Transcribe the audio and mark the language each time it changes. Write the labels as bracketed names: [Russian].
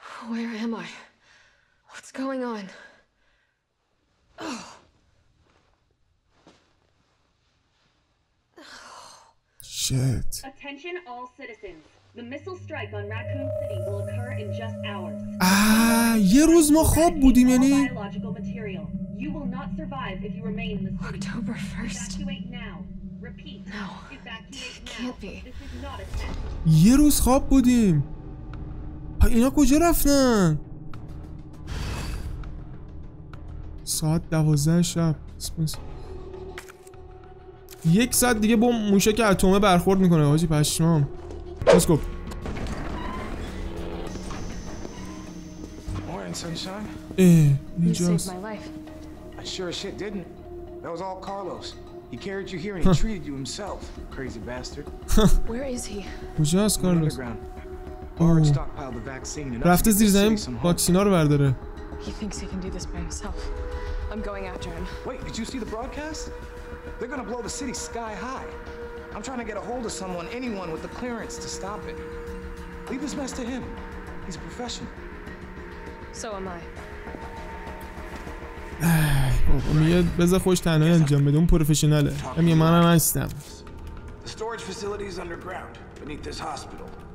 [English] Where am I? What's going on? Shit. Attention all citizens. The missile strike on Raccoon City will occur in just hours. [Persian] یه روز ما خواب بودیم، یعنی [English] You will not survive if you remain in the city. October 1st. Evacuate now. Repeat. No. Evacuate This is not a test. [Persian] یه روز خواب بودیم. اینا کجا رفتن؟ ساعت 12 شب. یک ساعت دیگه با موشک اتمی برخورد میکنه. حاجی پشمام. [English] Let's go. Morning, sunshine. [Persian] اینجاست. [English] I sure as shit didn't. That was all Carlos. He carried you here and he treated you himself. Crazy bastard. Where is he? [Persian] کجاست کارلوس؟ [English] Underground. Stockpiled the vaccine. [Persian] رفته زیر زمین واکسینا رو برداره. [English] He thinks he can do this by himself. I'm going after him. Wait, did you see the broadcast? They're gonna blow the city sky high. I'm trying to get a hold of someone, anyone with the clearance to stop it. Leave this mess to him. He's a professional. So am I. [Persian] میگه بذار خوش تنهایی انجام بده، اون پروفشناله. میگه منم هستم. [English] The storage facility is underground beneath this hospital.